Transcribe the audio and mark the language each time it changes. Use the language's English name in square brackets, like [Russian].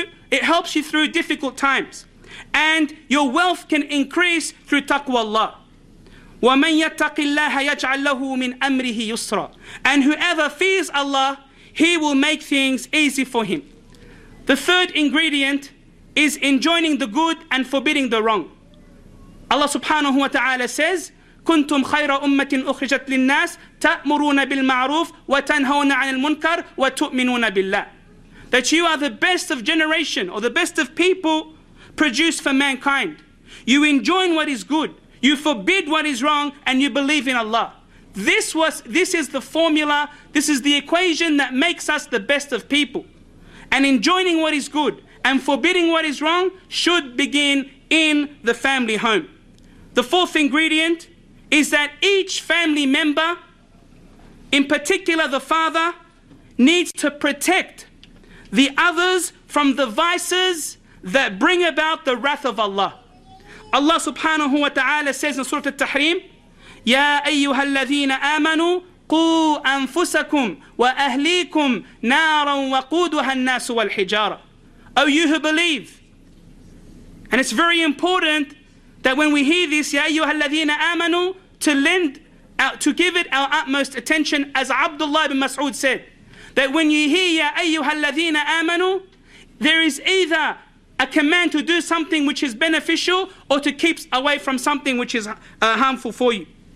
[English] It helps you through difficult times. And your wealth can increase through taqwa Allah. [Arabic] وَمَنْ يَتَّقِ اللَّهَ يَجْعَلْ لَهُ مِنْ أَمْرِهِ يُسْرًا. [English] And whoever fears Allah, he will make things easy for him. The third ingredient is enjoining the good and forbidding the wrong. Allah subhanahu wa ta'ala says, [Arabic] كُنْتُمْ خَيْرَ أُمَّةٍ أُخْرِجَتْ لِلنَّاسِ تَأْمُرُونَ بِالْمَعْرُوفِ وَتَنْهَوْنَ عَنِ الْمُنْكَرِ وَتُؤْمِنُونَ بِاللَّهِ. [English] That you are the best of generation or the best of people produced for mankind. You enjoin what is good, you forbid what is wrong, and you believe in Allah. This is the formula, this is the equation that makes us the best of people. And enjoining what is good and forbidding what is wrong should begin in the family home. The fourth ingredient is that each family member, in particular the father, needs to protect the others from the vices that bring about the wrath of Allah. Allah subhanahu wa ta'ala says in Surah Al-Tahrim, [Arabic] يَا أَيُّهَا الَّذِينَ آمَنُوا قُوا أَنفُسَكُمْ وَأَهْلِيكُمْ نَارًا وَقُودُهَا النَّاسُ وَالْحِجَارَةُ. [English] O you who believe. And it's very important that when we hear this, [Arabic] يَا أَيُّهَا الَّذِينَ آمَنُوا, [English] to give it our utmost attention, as Abdullah ibn Mas'ud said, that when you hear يَا أَيُّهَا الَّذِينَ آمَنُوا, there is either a command to do something which is beneficial or to keep away from something which is harmful for you.